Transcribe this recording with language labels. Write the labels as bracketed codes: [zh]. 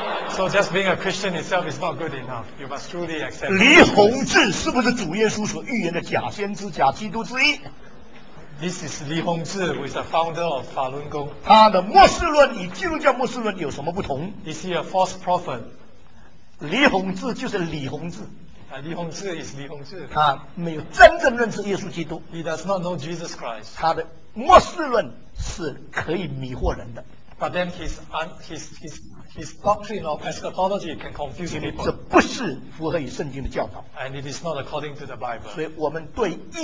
[en] So just being a Christian itself is not good enough. You must truly accept. [zh] 李洪志是不是主耶稣所预言的假先知、假基督之一？ [en] This is Li Hongzhi, who is the founder of Falun Gong. [zh] 他的末世论与基督教末世论有什么不同？ [en] Is he a false prophet? [zh] 李洪志就是李洪志。 [en] 李洪志 is 李洪志。 [zh] 他没有真正认识耶稣基督。 [en] He does not know Jesus Christ. [zh] 他的末世论是可以迷惑人的。 [en] But then his doctrine of eschatology can confuse people. [zh] 这不是符合于圣经的教导。 [en] And it is not according to the Bible.